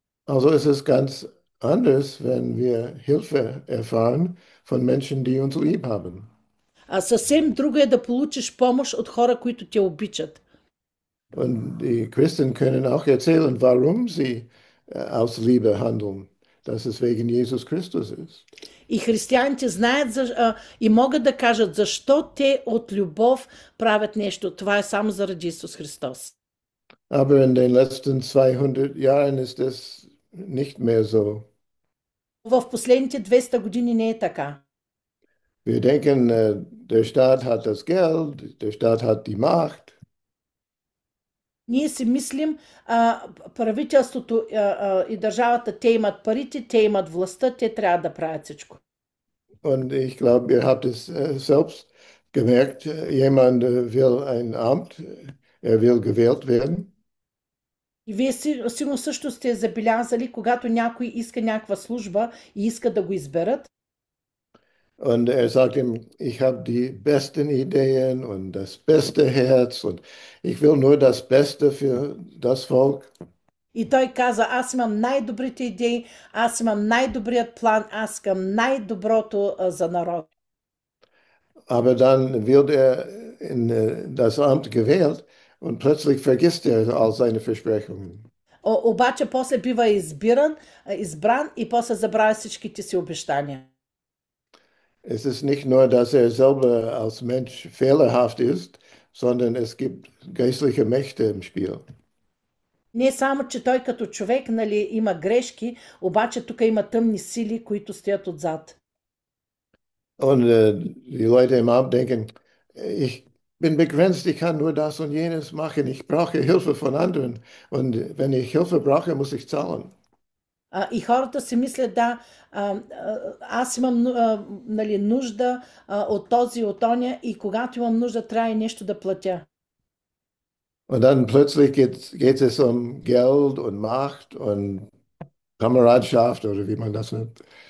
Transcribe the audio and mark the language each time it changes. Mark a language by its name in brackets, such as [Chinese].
[German] Also es ist ganz anders, wenn wir Hilfe erfahren von Menschen, die uns lieb haben. [Bulgarian] А съвсем друго е да получиш помощ от хора, които те обичат. [German] Und die Christen können auch erzählen, warum sie aus Liebe handeln, dass es wegen Jesus Christus ist. [Bulgarian] И християните знаят и могат да кажат защо те от любов правят нещо. Това е само заради Исус Христос. [German] Aber in den letzten 200 Jahren ist es nicht mehr so. [Bulgarian] В последните 200 години не е така. [German] Wir denken, der Staat hat das Geld, der Staat hat die Macht. [Bulgarian] Ние си мислим, правителството и държавата, те имат парите, те имат властта, те трябва да правят всичко. [German] Und ich glaube, ihr habt es selbst gemerkt, jemand will ein Amt, er will gewählt werden. [Bulgarian] И вие сигурно също сте забелязали, когато някой иска някаква служба и иска да го изберат. [German] Und er sagt ihm, ich habe die besten Ideen und das beste Herz und ich will nur das Beste für das Volk. [Bulgarian] И той каза, аз имам най-добрите идеи, аз имам най-добрият план, аз искам най-доброто за народа. [German] Aber dann wird er in das Amt gewählt und plötzlich vergisst er all seine Versprechungen. [Bulgarian] Обаче после бива избран и после забравя всичките си обещания. [German] Es ist nicht nur, dass er selber als Mensch fehlerhaft ist, sondern es gibt geistliche Mächte im Spiel. [Bulgarian] Не само, че той като човек, нали, има грешки, обаче тук има тъмни сили, които стоят отзад. [German] Und die Leute im Amt denken, ich bin begrenzt, ich kann nur das und jenes machen, ich brauche Hilfe von anderen. Und wenn ich Hilfe brauche, muss ich zahlen. [Bulgarian] И хората си мислят, да, аз имам нали, нужда от този, от оня и когато имам нужда, трябва и нещо да платя. [German] Und dann plötzlich geht es um Geld und Macht und Kameradschaft oder wie man das nennt.